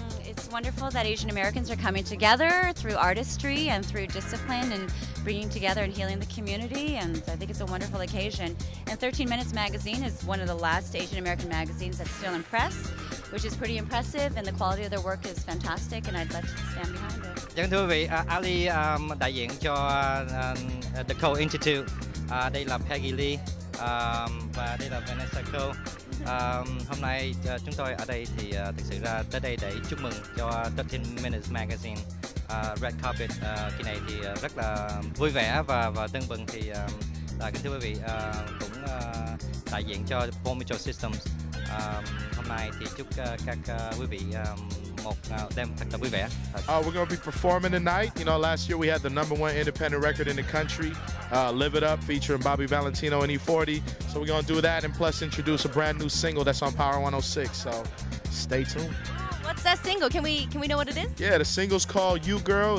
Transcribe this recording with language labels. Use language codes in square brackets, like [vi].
[en] It's wonderful that Asian Americans are coming together through artistry and through discipline and bringing together and healing the community, and I think it's a wonderful occasion. And 13 Minutes Magazine is one of the last Asian American magazines that's still in press, which is pretty impressive, and the quality of their work is fantastic, and I'd love to stand behind it. [vi] Vâng, thưa quý vị, Ali đại diện cho The Cole Institute. Đây là Peggy Lee và đây là Vanessa Cole. Hôm nay chúng tôi ở đây thì thực sự ra tới đây để chúc mừng cho 13 Minutes Magazine Red Carpet. Khi này thì rất là vui vẻ và tưng bừng thì kính thưa quý vị cũng đại diện cho Paul Mitchell Systems. Hôm nay thì chúc các quý vị [en] We're going to be performing tonight. You know, last year we had the number one independent record in the country, Live It Up, featuring Bobby Valentino and E-40. So we're going to do that and plus introduce a brand new single that's on Power 106. So stay tuned. What's that single? Can we know what it is? Yeah, the single's called You Girl.